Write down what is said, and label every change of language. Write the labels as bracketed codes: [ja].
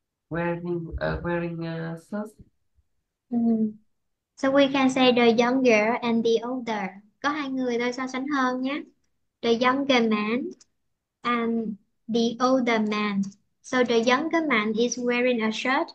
[en] So we can say the young girl and the older. [vi] Có hai người thôi so sánh hơn nhé. [en] The younger man and the older man. So the younger man is wearing a shirt.